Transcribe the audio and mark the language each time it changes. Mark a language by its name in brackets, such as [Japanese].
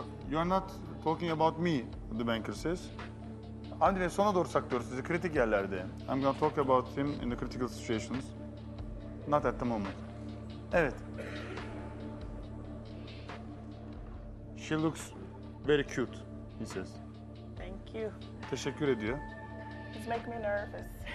[English] You're not talking about me, the banker says. [Turkish] Hamdi Bey, sona doğru saklıyoruz sizi, kritik yerlerde. [English] I'm gonna talk about him in the critical situations. Not at the moment. [Turkish] Evet. [English] She looks very cute, he says. Thank you. [Turkish] Teşekkür ediyor. [English] It's make me nervous.